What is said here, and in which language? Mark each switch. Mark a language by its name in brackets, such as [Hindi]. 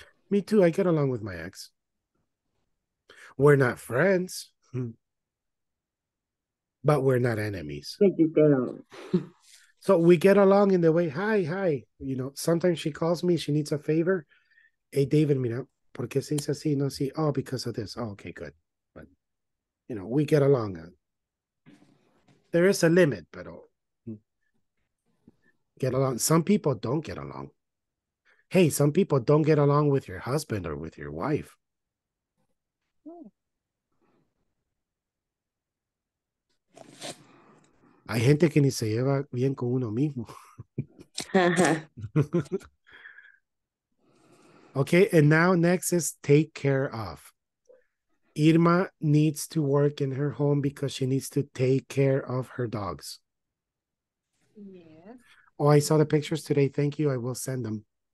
[English] Me too, I get along with my ex. We're not friends, but we're not enemies. So we get along in the way, hi. You know, sometimes she calls me, she needs a favor. [Spanish] Hey, David, mira, ¿por qué se dice así? [English] No, sí. Oh, because of this. Oh, okay, good. But, you know, we get along. There is a limit, [Spanish] pero [English] get along. Some people don't get along. Hey, some people don't get along with your husband or with your wife. [Spanish] Hay gente que ni se lleva bien con uno mismo. [English] Okay, and now next is take care of. Irma needs to work in her home because she needs to take care of her dogs. Yes. Oh, I saw the pictures today. Thank you. I will send them.